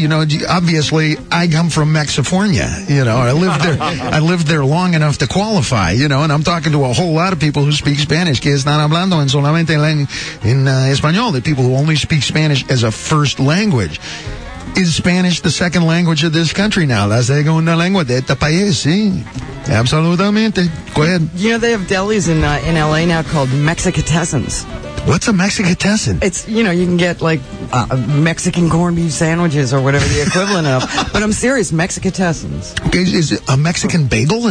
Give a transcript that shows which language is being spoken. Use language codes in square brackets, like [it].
[en] You know, obviously, I come from Mexifornia. You know, I lived there long enough to qualify. You know, and I'm talking to a whole lot of people who speak Spanish. [es] Que están hablando en solamente en español. [en] The people who only speak Spanish as a first language. Is Spanish the second language of this country now? [es] La segunda lengua de este país, sí. Absolutamente. [en] Go ahead. You know, they have delis in L.A. now called Mexicatessens. What's a Mexicatessen? It's, you know, you can get, like, Mexican corned beef sandwiches or whatever the equivalent of. But I'm serious, Mexicatessens. Okay, is it a Mexican bagel?